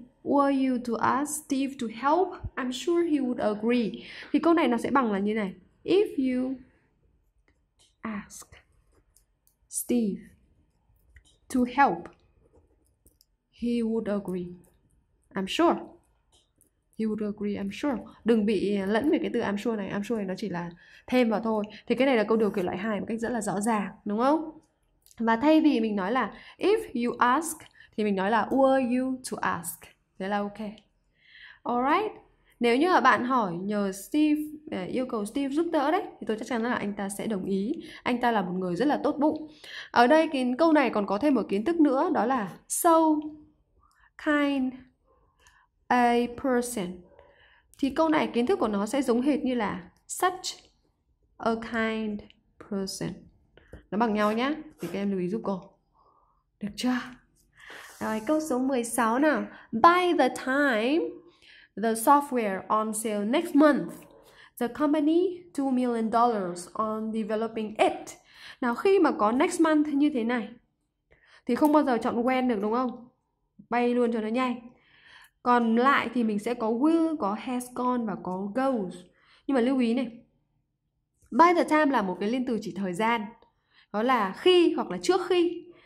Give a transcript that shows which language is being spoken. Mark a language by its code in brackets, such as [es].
[en] Were you to ask Steve to help? I'm sure he would agree. [vi] Thì câu này nó sẽ bằng là như này. [en] If you ask Steve to help, he would agree. I'm sure. He would agree, I'm sure. [vi] Đừng bị lẫn về cái từ [en] I'm sure [vi] này. I'm sure này nó chỉ là thêm vào thôi. Thì cái này là câu điều kiện loại 2 một cách rất là rõ ràng, đúng không? Và thay vì mình nói là [en] if you ask [vi] thì mình nói là [en] were you to ask. [vi] Thế là ok. [en] Alright. [vi] Nếu như là bạn hỏi nhờ Steve, yêu cầu Steve giúp đỡ đấy, thì tôi chắc chắn là anh ta sẽ đồng ý. Anh ta là một người rất là tốt bụng. Ở đây cái câu này còn có thêm một kiến thức nữa, đó là [en] so kind a person. [vi] Thì câu này kiến thức của nó sẽ giống hệt như là [en] such a kind person. [vi] Nó bằng nhau nhá, thì các em lưu ý giúp cô. Được chưa? Rồi, câu số 16 nào. [en] By the time the software on sale next month. the company $2 million on developing it. [vi] Nào khi mà có next month như thế này thì không bao giờ chọn when được đúng không? Bay luôn cho nó nhanh. Còn lại thì mình sẽ có will, có [en] has gone [vi] và có goes. Nhưng mà lưu ý này, [en] by the time [vi] là một cái liên từ chỉ thời gian, đó là khi hoặc là trước khi.